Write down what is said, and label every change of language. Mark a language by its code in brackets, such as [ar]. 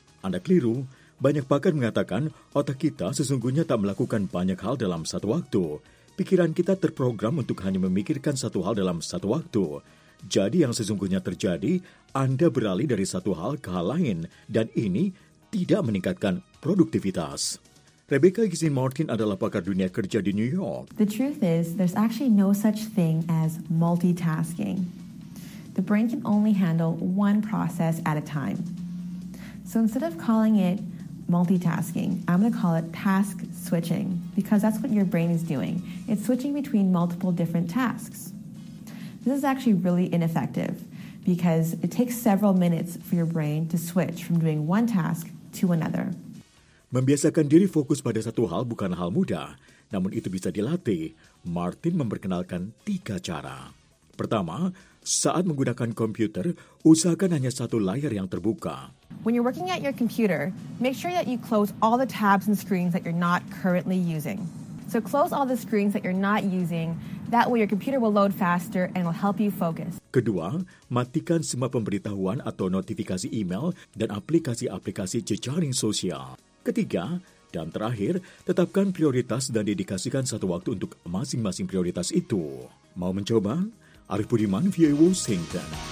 [id] Anda keliru, banyak pakar mengatakan otak kita sesungguhnya tak melakukan banyak hal dalam satu waktu. Pikiran kita terprogram untuk hanya memikirkan satu hal dalam satu waktu. Jadi yang sesungguhnya terjadi, Anda beralih dari satu hal ke hal lain, dan ini tidak meningkatkan produktivitas. Rebecca Gissin-Martin adalah pakar dunia kerja di New York. [en] The truth is, there's actually no such thing as multitasking. The brain can only handle one process at a time. So instead of calling it multitasking, I'm going to call it task switching, because that's what your brain is doing. It's switching between multiple different tasks. This is actually really ineffective because it takes several minutes for your brain to switch from doing one task to another. [id] Membiasakan diri fokus pada satu hal bukan hal mudah, namun itu bisa dilatih. Martin memperkenalkan tiga cara. Pertama, saat menggunakan komputer, usahakan hanya satu layar yang terbuka. [en] When you're working at your computer, make sure that you close all the tabs and screens that you're not currently using. So close all the screens that you're not using, that way your computer will load faster and will help you focus. [id] Kedua, matikan semua pemberitahuan atau notifikasi email dan aplikasi-aplikasi jejaring sosial. Ketiga, dan terakhir, tetapkan prioritas dan dedikasikan satu waktu untuk masing-masing prioritas itu. Mau mencoba? Arif Budiman, VOA Washington.